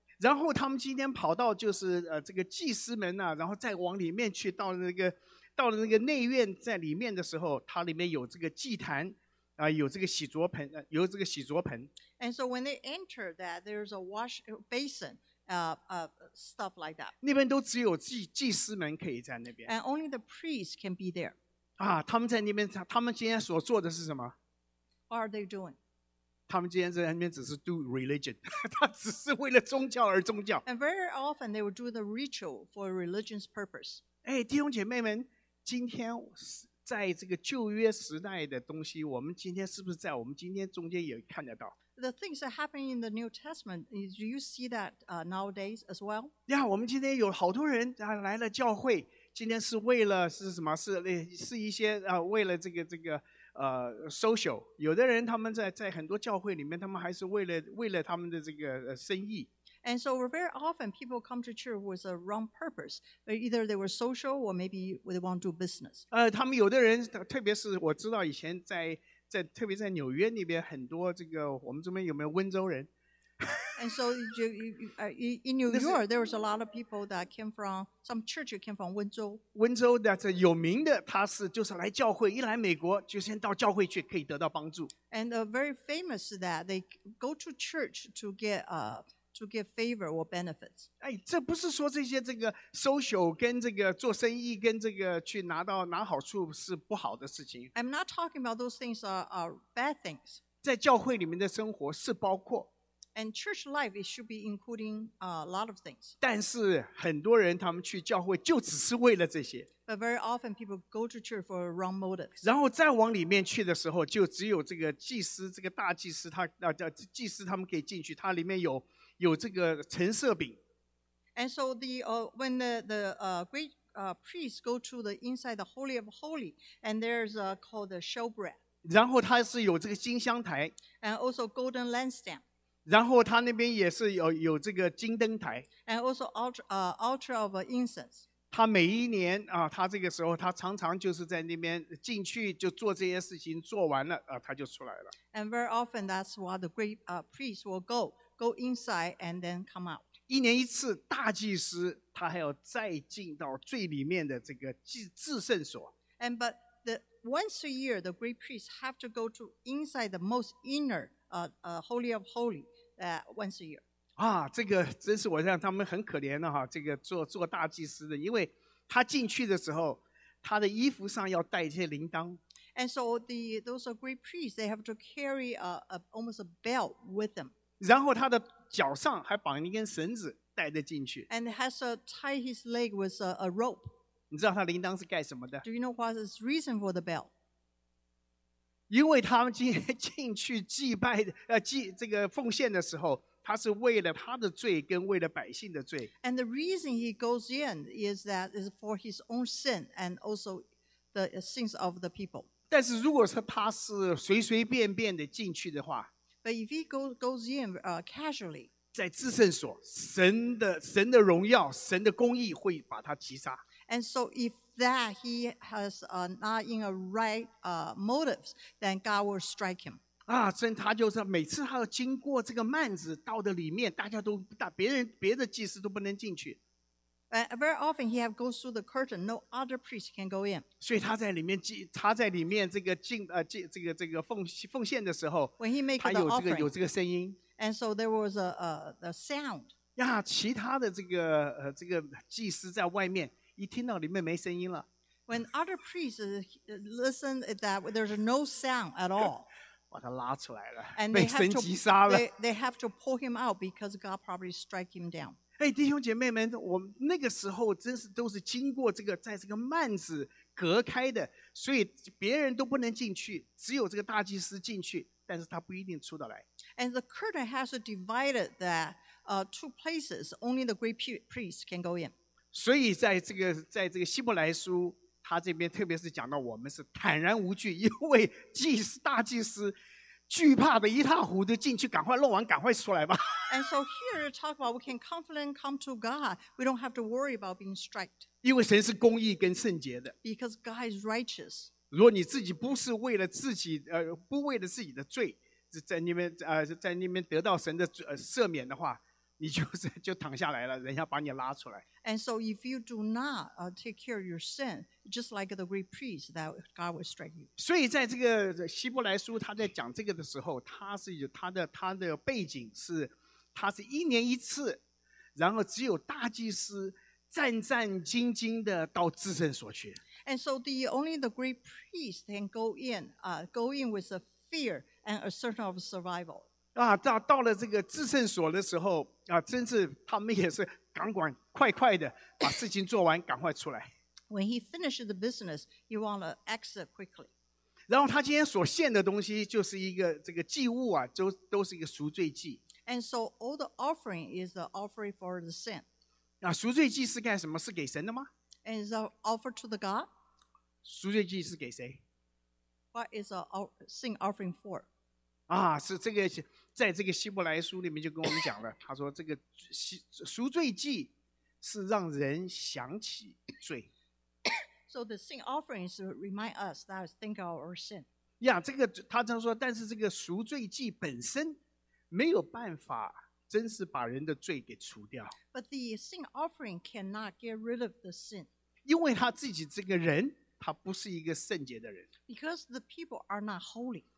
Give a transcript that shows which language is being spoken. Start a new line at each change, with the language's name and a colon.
Chinese: 然后他们今天跑到就是这个祭司门啊，然后再往里面去，到了那个内院，在里面的时候，它里面有这个祭坛啊，有这个洗濯盆，有这个洗濯盆。
English: And so when they enter that, there's a wash basin, stuff like that.
Chinese: 那边都只有祭司们可以在那边。
English: And only the priests can be there.
Chinese: 啊，他们在那边，他们今天所做的是什么
English: ？What are they doing?
Chinese: 他们今天在那边只是
English: do religion，
Chinese: 他只是为了宗教而宗教。
English: And very often they would do the ritual for religious purpose.
Chinese: 哎，弟兄姐妹们，今天在这个旧约时代的东西，我们今天是不是在我们今天中间也看得到？
English: The things that happen in the New Testament, do you see that nowadays as well?
Chinese: Yeah, 我们今天有好多人来了教会，今天是为了是什么？是一些为了这个social。有的人他们在很多教会里面，他们还是为了他们的这个生意。
English: And so very often people come to church with a wrong purpose. Either they were social or maybe they want to do business.
Chinese: 他们有的人，特别是我知道以前在特别在纽约那边很多这个我们这边有没有温州人
English: ？And so in New York, there was a lot of people that came from some church came from 温州。
Chinese: 温州
English: that
Chinese: 有名的，他是就是来教会，一来美国就先到教会去，可以得到帮助。
English: And very famous that they go to church to get to give favor or benefits.
Chinese: 哎，这不是说这些这个 social 跟这个做生意跟这个去拿好处是不好的事情。
English: I'm not talking about those things are bad things.
Chinese: 在教会里面的生活是包括。
English: And church life it should be including a lot of things.
Chinese: 但是很多人他们去教会就只是为了这些。
English: But very often people go to church for a wrong motive.
Chinese: 然后再往里面去的时候，就只有这个祭司，这个大祭司他祭司他们可以进去，他里面有这个陈设饼。
English: And so when the great priests go to the inside the Holy of Holy, and there's called the showbread.
Chinese: 然后他是有这个金香台。
English: And also golden lampstand.
Chinese: 然后他那边也是有这个金灯台。
English: And also altar of incense.
Chinese: 他每一年他这个时候他常常就是在那边进去就做这些事情做完了他就出来了。
English: And very often that's why the great priests will go. Go inside and then come out.
Chinese: 一年一次，大祭司他还要再进到最里面的这个至圣所。
English: And but the once a year, the great priests have to go to inside the most inner holy of holy once a year.
Chinese: 啊，这个真是我想他们很可怜的哈。这个做大祭司的，因为他进去的时候，他的衣服上要带一些铃铛。
English: And so those great priests they have to carry almost a bell with them.
Chinese: 然后他的脚上还绑了一根绳子带着进去。
English: And has to tie his leg with a rope.
Chinese: 你知道他铃铛是干什么的
English: ？Do you know what is reason for the bell?
Chinese: 因为他们进去祭拜这个奉献的时候，他是为了他的罪跟为了百姓的罪。
English: And the reason he goes in is that is for his own sin and also the sins of the people.
Chinese: 但是如果说他是随随便便的进去的话。
English: But if he goes in casually,
Chinese: 在至圣所，神的荣耀，神的公义会把他击杀。
English: And so if that he has not in a right motives, then God will strike him.
Chinese: 啊，所以他就是每次他要经过这个幔子到的里面，大家都别的祭司都不能进去。
English: And very often he goes through the curtain, no other priest can go in.
Chinese: 所以他在里面这个进这个奉献的时候
English: ，when he make the offering,
Chinese: 有这个声音。
English: And so there was a sound.
Chinese: 呀，其他的这个祭司在外面一听到里面没声音了
English: ，when other priests listen that there's no sound at all,
Chinese: 把他拉出来了，
English: and
Chinese: 被神击杀了。
English: They have to pull him out because God probably strike him down.
Chinese: 哎，弟兄姐妹们，我们那个时候真是都是经过这个，在这个幔子隔开的，所以别人都不能进去，只有这个大祭司进去，但是他不一定出得来。
English: And the curtain has divided that two places, only the great priest can go in.
Chinese: 所以在这个希伯来书，他这边特别是讲到我们是坦然无惧，因为大祭司。惧怕的一塌糊涂进去，赶快弄完，赶快出来吧。
English: And so here you talk about we can confidently come to God. We don't have to worry about being striked.
Chinese: 因为神是公义跟圣洁的。
English: Because God is righteous.
Chinese: 如果你自己不是为了自己不为了自己的罪，在那边得到神的赦免的话，你就是就躺下来了，人家把你拉出来。
English: And so if you do not take care of your sin, just like the great priest, that God will strike you.
Chinese: 所以在这个希伯来书他在讲这个的时候，他是有他的背景是，他是一年一次，然后只有大祭司战战兢兢的到至圣所去。
English: And so the only the great priest can go in with a fear and a certain of survival.
Chinese: 啊，到了这个至圣所的时候啊，真是他们也是赶快快快的把事情做完，赶快出来。
English: When he finishes the business, he want to exit quickly.
Chinese: 然后他今天所献的东西就是一个这个祭物啊，都是一个赎罪祭。
English: And so all the offering is the offering for the sin.
Chinese: 啊，赎罪祭是干什么？是给神的吗？
English: And is an offer to the God?
Chinese: 赎罪祭是给谁？
English: What is a sin offering for?
Chinese: 啊，是这个，在这个希伯来书里面就跟我们讲了，他说这个赎罪祭是让人想起罪。
English: So the sin offering is to remind us that we think of our sin.
Chinese: Yeah, 这个他这样说，但是这个赎罪祭本身没有办法真是把人的罪给除掉。
English: But the sin offering cannot get rid of the sin.
Chinese: 因为他自己这个人，他不是一个圣洁的人。
English: Because the people are not holy.